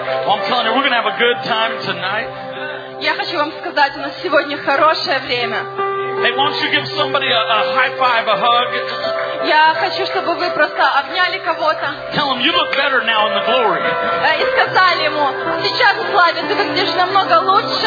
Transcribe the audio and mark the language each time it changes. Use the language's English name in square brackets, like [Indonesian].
[English] I'm telling you, we're going to have a good time tonight. [Russian] Я хочу вам сказать, у нас сегодня хорошее время. [English] Hey, why don't you give somebody a high five, a hug? [Russian] Я хочу, чтобы вы просто обняли кого-то. [English] Tell him you look better now in the glory. [Russian] И сказали ему, сейчас в славе ты выглядишь намного лучше.